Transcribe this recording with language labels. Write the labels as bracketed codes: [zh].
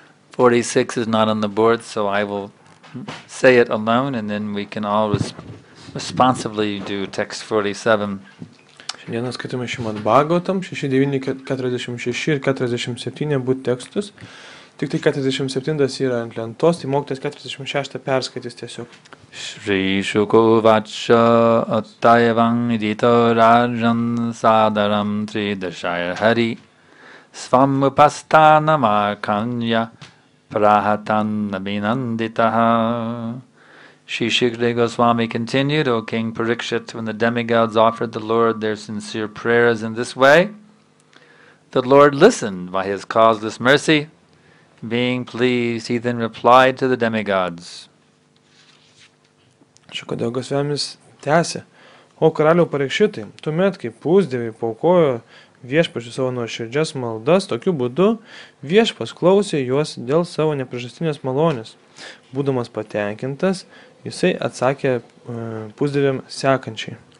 [en] 46 is not on the board, so I will say it alone, and then we can all responsibly do text 47. [lt] Šiandieną skaitome Šrimad Bhagavatam 69, 46 ir 47 būtų tekstus. Tik tai 47 yra ant lentos, tai mokytas 46 perskaitys tiesiog. [sa] Shri Shuku Vatsha Atayavang Dito Rajan Sadaram Tridashaya Hari Svamupastana Makanya Prahatan Nabinanditaha. [en] Shri Shikri Goswami continued, O King Parikshit, when the demigods offered the Lord their sincere prayers in this way, the Lord listened by his causeless mercy. Being pleased, he then replied to the demigods. [lt] Šikodėl Goswami's tęsė, O karaliau Parikšitai, tuomet, kai pusdėviai paukojo viešpačių savo nuoširdžias maldas, tokiu būdu viešpas klausė juos dėl savo nepriežastinės malonės. Būdamas patenkintas, jisai atsakė pusdėviam sekančiai.